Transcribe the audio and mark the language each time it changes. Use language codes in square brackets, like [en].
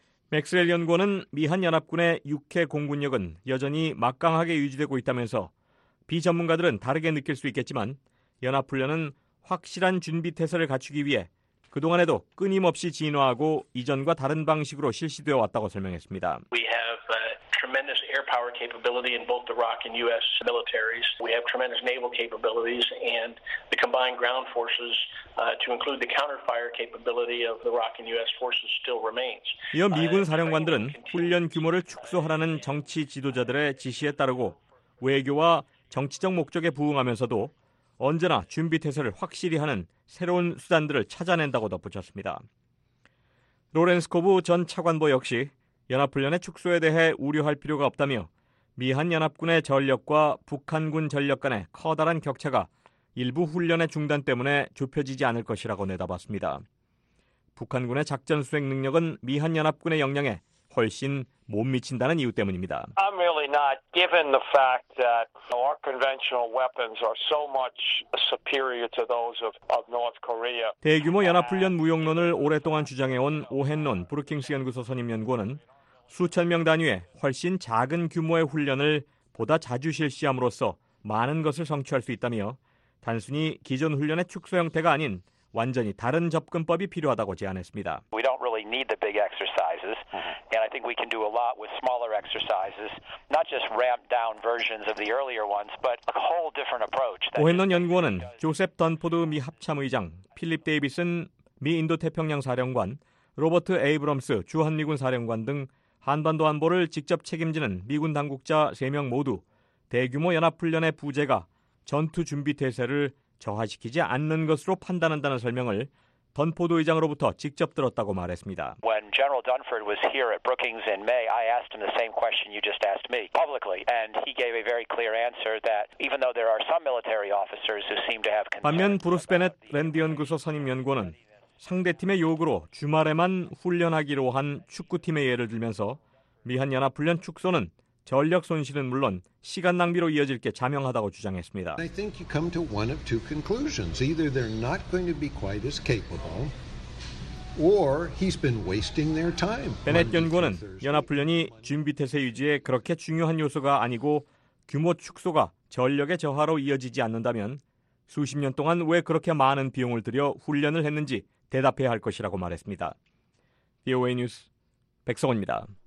[ko] 맥스웰 연구원은 미한연합군의 육해 공군력은 여전히 막강하게 유지되고 있다면서 비전문가들은 다르게 느낄 수 있겠지만 연합훈련은 확실한 준비태세를 갖추기 위해 그동안에도 끊임없이 진화하고 이전과 다른 방식으로 실시되어 왔다고 설명했습니다. [en] We have tremendous air power capability in both the ROC and U.S. militaries. We have tremendous naval capabilities and the combined ground forces to include the counterfire capability of the ROC and U.S. forces still remains. [ko] 이어 미군 사령관들은 훈련 규모를 축소하라는 정치 지도자들의 지시에 따르고 외교와 정치적 목적에 부응하면서도 언제나 준비태세를 확실히 하는 새로운 수단들을 찾아낸다고 덧붙였습니다. 로렌스 코브 전 차관보 역시 연합훈련의 축소에 대해 우려할 필요가 없다며 미한연합군의 전력과 북한군 전력 간의 커다란 격차가 일부 훈련의 중단 때문에 좁혀지지 않을 것이라고 내다봤습니다. 북한군의 작전 수행 능력은 미한연합군의 역량에 훨씬 못 미친다는 이유 때문입니다. [en] I'm really not given the fact that our conventional weapons are so much superior to those of North Korea. [ko] 대규모 연합훈련 무용론을 오랫동안 주장해온 오헨론 브루킹스 연구소 선임 연구원은 수천 명 단위의 훨씬 작은 규모의 훈련을 보다 자주 실시함으로써 많은 것을 성취할 수 있다며 단순히 기존 훈련의 축소 형태가 아닌 완전히 다른 접근법이 필요하다고 제안했습니다. [en] We don't really need the big exercises. And I think we can do a lot with smaller exercises, not just ramped down versions of the earlier ones, but a whole different approach. [ko] 오헨론 연구원은 조셉 던포드 미 합참의장, 필립 데이비슨 미 인도태평양 사령관, 로버트 에이브럼스 주한미군 사령관 등 한반도 안보를 직접 책임지는 미군 당국자 3명 모두 대규모 연합훈련의 부재가 전투 준비 태세를 저하시키지 않는 것으로 판단한다는 설명을 던포드 의장으로부터 직접 들었다고 말했습니다. [en] When General Dunford was here at Brookings in May, I asked him the same question you just asked me publicly, and he gave a very clear answer that even though there are some military officers who seem to have concerns. [ko] 반면 브루스 베넷 랜드 연구소 선임 연구원은 상대팀의 요구로 주말에만 훈련하기로 한 축구팀의 예를 들면서 미한 연합 훈련 축소는 전력 손실은 물론 시간 낭비로 이어질 게 자명하다고 주장했습니다. [en] I think you come to one of two conclusions. Either they're not going to be quite as capable, or he's been wasting their time. [ko] 베넷 연구원은 연합훈련이 준비태세 유지에 그렇게 중요한 요소가 아니고 규모 축소가 전력의 저하로 이어지지 않는다면 수십 년 동안 왜 그렇게 많은 비용을 들여 훈련을 했는지 대답해야 할 것이라고 말했습니다. VOA 뉴스 백성원입니다.